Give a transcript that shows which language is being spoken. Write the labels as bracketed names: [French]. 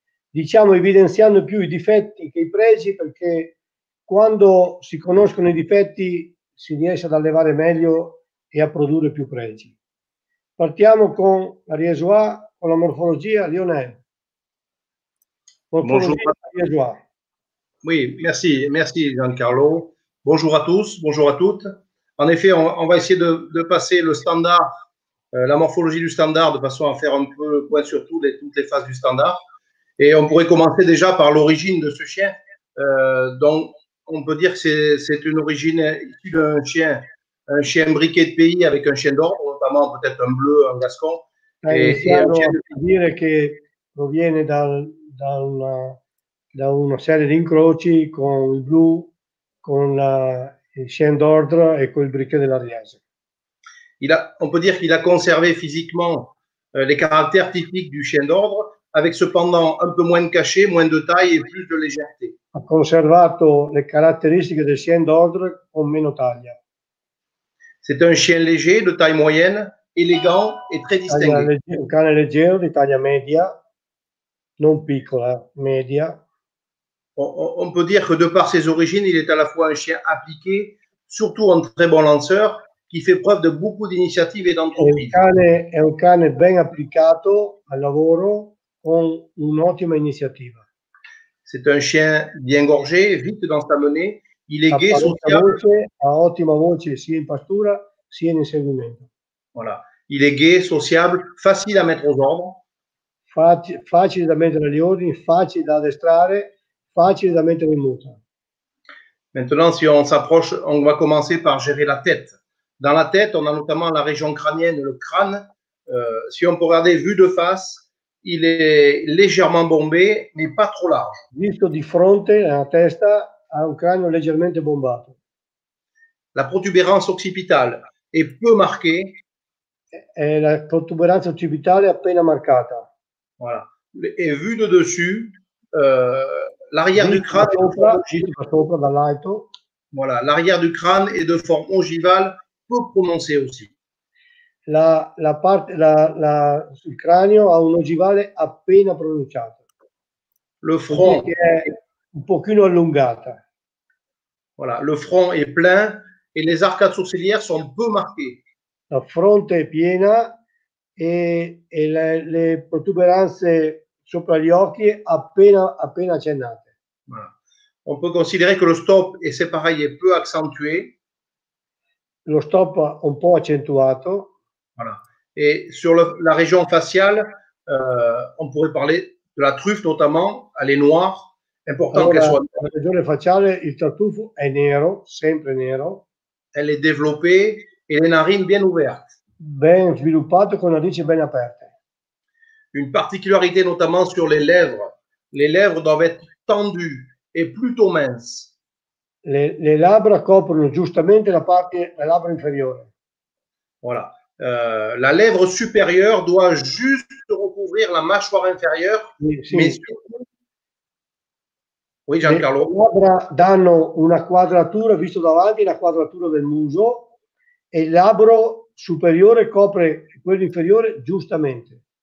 [Italian] Diciamo evidenziando più i difetti che i pregi, perché quando si conoscono i difetti si riesce ad allevare meglio e a produrre più pregi. Partiamo con la Réjouane, con la morfologia, Lionel. [French] Bonjour. [Italian] Morfologia della Réjouane. [French] Oui, merci, merci Giancarlo. Bonjour à tous, bonjour à toutes. En effet, on va essayer de passer le standard, la morphologie du standard, de façon à faire un peu point sur toutes les phases du standard. Et on pourrait commencer déjà par l'origine de ce chien. Donc, on peut dire que c'est une origine issue d'un chien, un chien briquet de pays avec un chien d'ordre, notamment peut-être un bleu, un gascon, [Italian] Sta [French] et un chien [Italian] iniziando a [French] de pays. [Italian] dire che proviene da una serie di incroci con il blu, con il chien d'ordre e col briquet dell'Ariège. [French] On peut dire qu'il a conservé physiquement les caractères typiques du chien d'ordre, avec cependant un peu moins de cachet, moins de taille et plus de légèreté. [Italian] ha conservato le caratteristiche del chien d'ordre con meno taglia. [French] C'est un chien léger de taille moyenne, élégant et très distingué. [Italian] Un cane leggero di taglia media, non piccola, media. [French] On peut dire que de par ses origines, il est à la fois un chien appliqué, surtout un très bon lanceur, qui fait preuve de beaucoup d'initiative et d'entreprise. [Italian] È un cane ben applicato al lavoro con un'ottima iniziativa. [French] C'est un chien bien gorgé, vite dans sa menée. Il est gai, sociable. [Italian] Ha ottima voce sia in pastura sia in inseguimento. [French] Voilà. Il est gai, sociable, facile à mettre aux ordres. [Italian] Facile da mettere agli ordini, facile da addestrare, facile da mettere in muta. [French] Maintenant, si on s'approche, on va commencer par gérer la tête. Dans la tête, on a notamment la région crânienne, le crâne. Si on peut regarder vue de face, il est légèrement bombé, mais pas trop large. [Italian] Visto di fronte, la testa ha un cranio leggermente bombato. La protuberanza occipitale è [French] peu marquée. [Italian] E la protuberanza occipitale è appena marcata. [French] Voilà. E vu de dessus, l'arrière du crâne. [Italian] Sopra, dall'alto. [French] Voilà. L'arrière du crâne est de forme ogivale, peu prononcée aussi. [Italian] Il cranio ha un ogivale appena pronunciato. [French] Le front. [Italian] Un pochino allungata. [French] Voilà, le front est plein et les arcades sourcilières sont peu marquées. [Italian] La fronte è piena e le protuberanze sopra gli occhi appena accennate. [French] Voilà. On peut considérer que le stop est pareil, est peu accentué. [Italian] Lo stop un po' accentuato. [French] Voilà. Et sur la région faciale, on pourrait parler de la truffe notamment, elle est noire. [Italian] Importante allora, [French] qu'elle soit [Italian] la regione facciale, il tartufo è nero, sempre nero. [French] Elle est développée et les narines bien ouvertes. [Italian] Ben sviluppato con narici ben aperte. [French] Une particularité notamment sur les lèvres. Les lèvres doivent être tendues et plutôt minces. [Italian] Le labbra coprono giustamente la parte la labbra inferiore. [French] Voilà. La lèvre supérieure doit juste recouvrir la mâchoire inférieure. [Italian] Sì, sì. [French] Mais surtout, oui, Giancarlo. [Italian] Le labbra danno una quadratura, visto davanti, la quadratura del muso, e il labbro superiore copre quello inferiore giustamente.